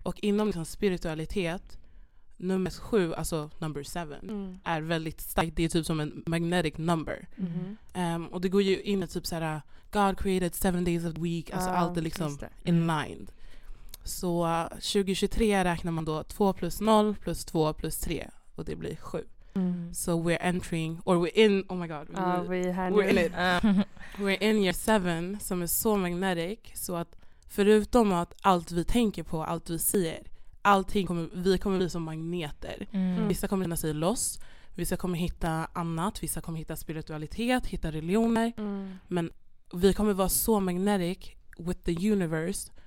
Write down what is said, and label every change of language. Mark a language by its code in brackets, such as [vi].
[sv] Och inom liksom spiritualitet, nummer 7, alltså number 7, är väldigt starkt. Det är typ som en magnetic number. Och det går ju in i typ så här, [en] God created 7 days of the week. [sv] Alltså allt är liksom in line. Så 2023 räknar man då 2 + 0 + 2 + 3 och det blir 7. [en] So we're entering, or we're in, oh my god, we're in it. [sv] We're in year 7, som är så magnetic, så att förutom att allt vi tänker på, allt vi ser, allting kommer, vi kommer bli som magneter. Vissa kommer känna sig loss, vissa kommer hitta annat, vissa kommer hitta spiritualitet, hitta religioner, men vi kommer vara så [en] magnetic with the universe.